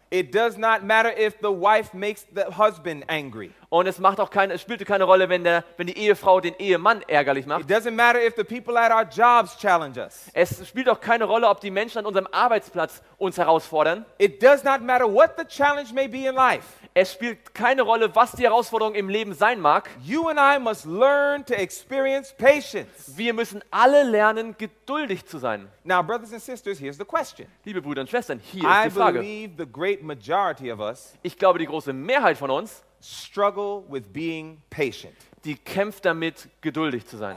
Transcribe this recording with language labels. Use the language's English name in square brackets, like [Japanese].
[English] It does not matter if the wife makes the husband angry. [German] Und es spielte keine Rolle, wenn die Ehefrau den Ehemann ärgerlich macht. [English] It doesn't matter if the people at our jobs challenge us. [German] Es spielt auch keine Rolle, ob die Menschen an unserem Arbeitsplatz uns herausfordern. [English] It does not matter what the challenge may be in life. [German] Es spielt keine Rolle, was die Herausforderung im Leben sein mag. [English] You and I must learn to experience patience. [German] Wir müssen alle lernen, geduldig zu sein. [English] Now, brothers and sisters, here's the question. [German] Liebe Brüder und Schwestern, hier ist die Frage. [English] I believe the great majority of us, [German] ich glaube, die große Mehrheit von uns, [English] struggle with being patient. [German] Die kämpft damit, geduldig zu sein.